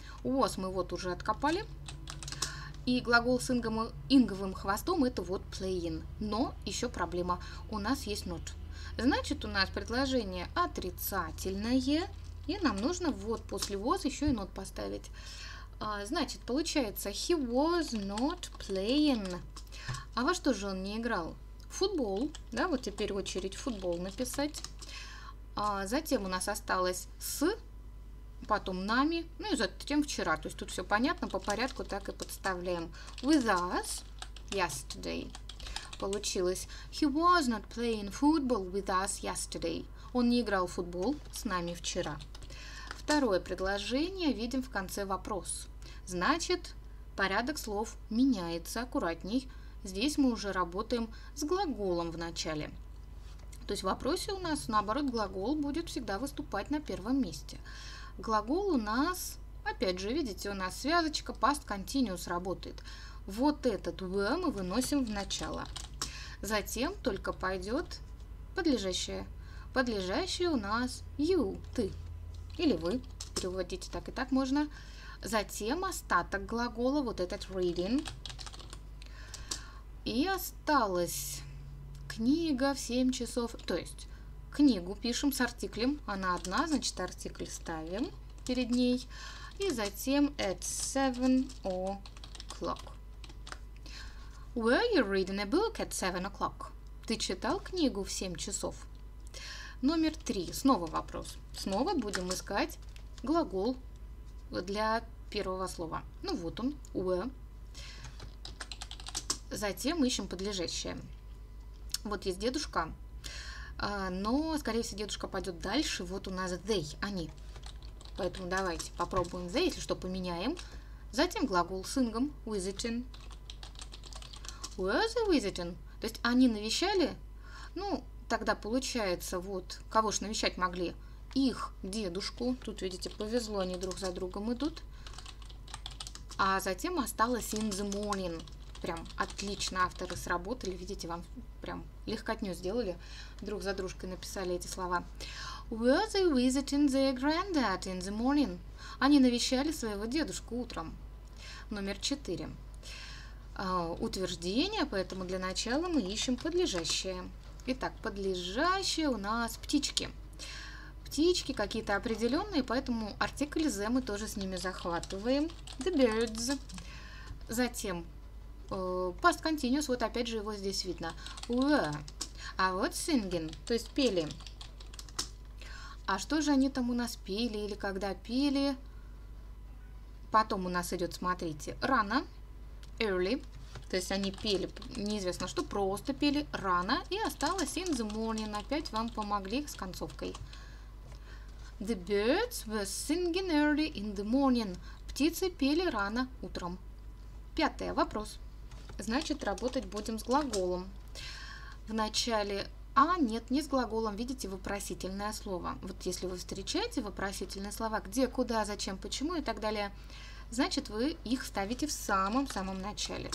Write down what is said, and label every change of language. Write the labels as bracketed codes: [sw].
[ru] Was мы вот уже откопали. И глагол с инговым хвостом это вот playing. Но еще проблема. У нас есть not. Значит, у нас предложение отрицательное. И нам нужно вот после was еще и not поставить. Значит, получается, [en] he was not playing. [ru] А во что же он не играл? Футбол, да, вот теперь очередь футбол написать. Затем у нас осталось с, потом нами, ну и затем вчера. То есть тут все понятно, по порядку так и подставляем. [en] With us yesterday. [ru] Получилось, [en] he was not playing football with us yesterday. [ru] Он не играл в футбол с нами вчера. Второе предложение видим в конце вопрос. Значит, порядок слов меняется аккуратней. Здесь мы уже работаем с глаголом в начале. То есть в вопросе у нас, наоборот, глагол будет всегда выступать на первом месте. Глагол у нас, опять же, видите, у нас связочка past continuous работает. Вот этот were мы выносим в начало. Затем только пойдет подлежащее. Подлежащее у нас you, ты. Или вы, переводите так и так можно. Затем остаток глагола, вот этот reading. И осталась книга в 7 часов. То есть книгу пишем с артиклем. Она одна, значит артикль ставим перед ней. И затем [en] at 7 o'clock. Were you reading a book at 7 o'clock? [ru] Ты читал книгу в 7 часов? Номер 3. Снова вопрос. Снова будем искать глагол для первого слова. Ну вот он, were. Затем ищем подлежащее. Вот есть дедушка. Но, скорее всего, дедушка пойдет дальше. Вот у нас they, они. Поэтому давайте попробуем they, если что, поменяем. Затем глагол с ингом, visiting. [en] Were they visiting? [ru] То есть они навещали? Ну, тогда получается, вот, кого же навещать могли? Их дедушку. Тут, видите, повезло, они друг за другом идут. А затем осталось [en] in the morning. [ru] Прям отлично авторы сработали. Видите, вам прям легкотню сделали. Друг за дружкой написали эти слова. [en] Were they visiting their granddad in the morning? [ru] Они навещали своего дедушку утром. Номер 4. Утверждение, поэтому для начала мы ищем подлежащее. Итак, подлежащее у нас птички. Птички какие-то определенные, поэтому артикль the мы тоже с ними захватываем. [en] The birds. [ru] Затем past continuous, вот опять же его здесь видно. [en] Were. [ru] А вот singing, то есть пели. А что же они там у нас пели или когда пели? Потом у нас идет, смотрите, рано, early. То есть они пели, неизвестно что, просто пели рано. И осталось [en] in the morning. [ru] Опять вам помогли с концовкой. [en] The birds were singing early in the morning. [ru] Птицы пели рано утром. Пятое. Вопрос. Значит, работать будем с глаголом. В начале «а» нет, не с глаголом. Видите, вопросительное слово. Вот если вы встречаете вопросительные слова, где, куда, зачем, почему и так далее, значит, вы их ставите в самом-самом начале.